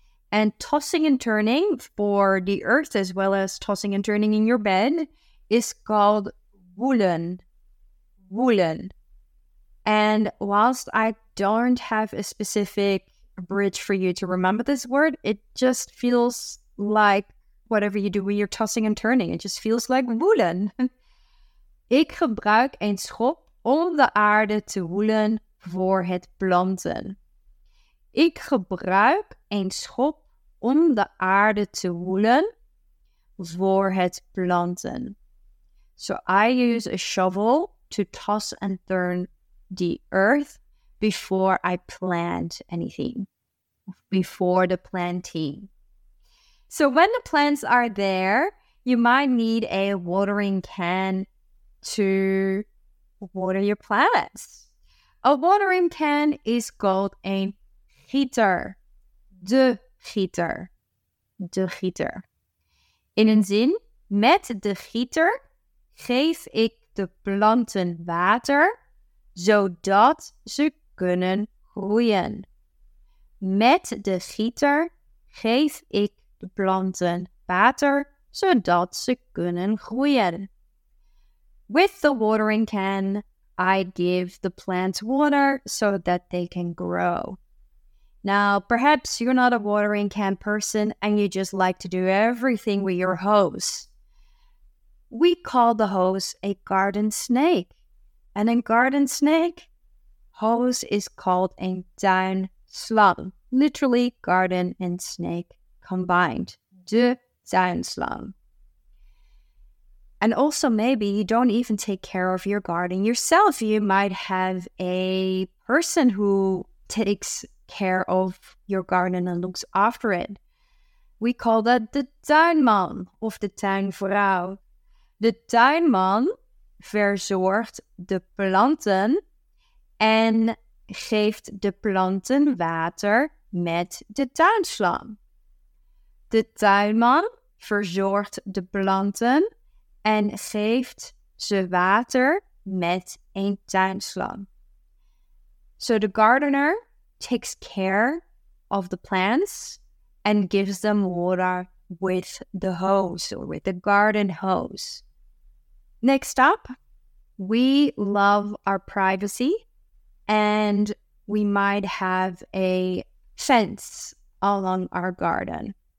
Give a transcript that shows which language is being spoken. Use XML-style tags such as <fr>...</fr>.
<en>And tossing and turning for the earth, as well as tossing and turning in your bed, is called woelen. Woelen. And whilst I don't have a specific bridge for you to remember this word, it just feels like whatever you do when you're tossing and turning, it just feels like woelen.</en> <nl>Ik gebruik een schop om de aarde te woelen voor het planten. Ik gebruik een schop om de aarde te woelen voor het planten.</nl> <en>So I use a shovel to toss and turn the earth before I plant anything, before the planting. So when the plants are there, you might need a watering can to water your plants. A watering can is called a gieter.</en> <nl>De gieter. De gieter. In een zin, met de gieter geef ik de planten water, zodat ze kunnen groeien. Met de gieter geef ik de planten water, zodat ze kunnen groeien.</nl> <en>With the watering can, I give the plants water so that they can grow. Now, perhaps you're not a watering can person and you just like to do everything with your hose. We call the hose a garden snake. And in garden snake, hose is called a tuinslang, literally garden and snake combined, de tuinslang. And also maybe you don't even take care of your garden yourself. You might have a person who takes care of your garden and looks after it. We call that the tuinman of the tuinvrouw.</en> <nl>The tuinman verzorgt de planten en geeft de planten water met de tuinslang. De tuinman verzorgt de planten en geeft ze water met een tuinslang.</nl> <en>So the gardener takes care of the plants and gives them water with the hose, or with the garden hose. Next up, we love our privacy and we might have a fence along our garden.</en>